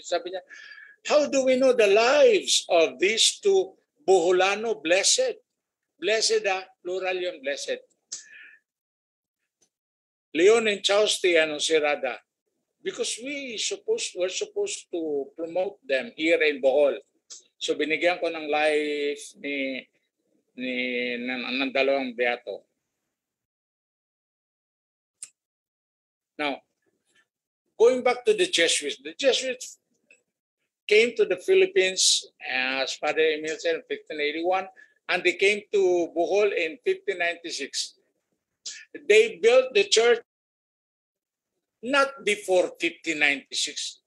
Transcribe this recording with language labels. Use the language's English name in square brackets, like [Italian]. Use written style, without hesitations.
[English] Sabi niya, how do we know the lives of these two Boholano blessed? Blessed ah, plural yung blessed. Leon and Chausti and Jose Rada, because we're supposed to promote them here in Bohol. [Filipino] So binigyan ko ng life ng dalawang beato. [English] Now, going back to the Jesuits came to the Philippines, as Father Emil said, in 1581, and they came to Bohol in 1596. They built the church not before 1596.